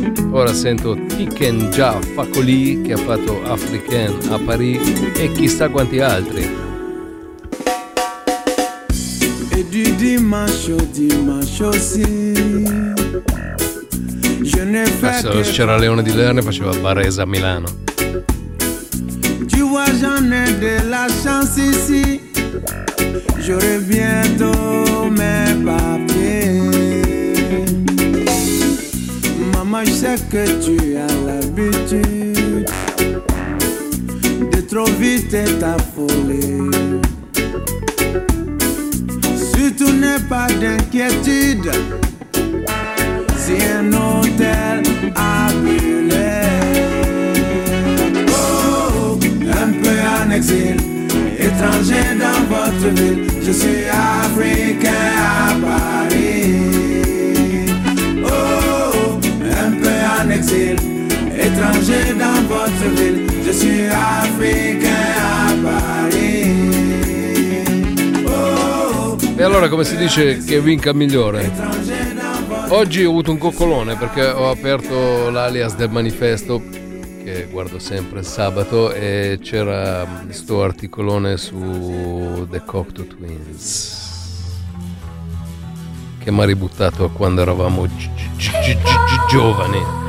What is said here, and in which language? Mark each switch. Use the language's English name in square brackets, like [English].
[Italian] Ora sento Tiken Jah Fakoly che ha fatto African a Paris e chissà quanti altri. [French] E du dimanche aussi. Je ne fais pas. [Italian] C'era Leone di Lerner, faceva Baresa a Milano. [French] Tu vois j'en ai de la chance ici. J'aurai bientôt mes papiers. Maman, je sais que tu as l'habitude de trop vite t'affoler. Surtout n'aie pas d'inquiétude si un hôtel a brûlé. Oh, un peu en exil. Étranger dans votre ville, je suis africain à Paris. Oh, un peu en exil. Étranger dans votre ville, je suis africain à Paris. Oh. [Italian] allora come si dice che vinca migliore? Oggi ho avuto un coccolone perché ho aperto l'alias del manifesto che guardo sempre il sabato e c'era sto articolone su The Cocteau Twins che mi ha ributtato a quando eravamo giovani.